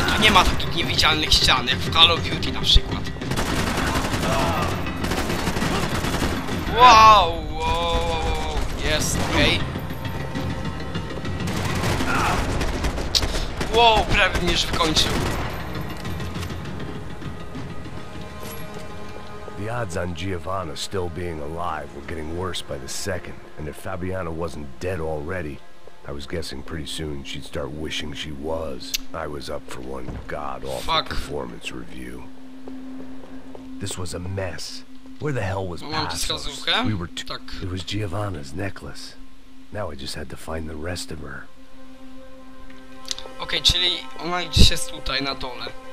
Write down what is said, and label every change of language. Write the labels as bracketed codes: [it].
[pl] Tu nie ma takich niewidzialnych ścian, jak w Call of Duty na przykład. Wow, wow, wow, jest, okej. Okay. Wow, prawie mnie już wykończył. [en] The odds on Giovanna still being alive were getting worse by the second, and if Fabiana wasn't dead already, I was guessing pretty soon she'd start wishing she was. I was up for one god-awful performance review. This was a mess. Where the hell was Passos? We were too. It was Giovanna's necklace. Now I just had to find the rest of her. [pl] Okay, czyli ona gdzieś jest tutaj na dole.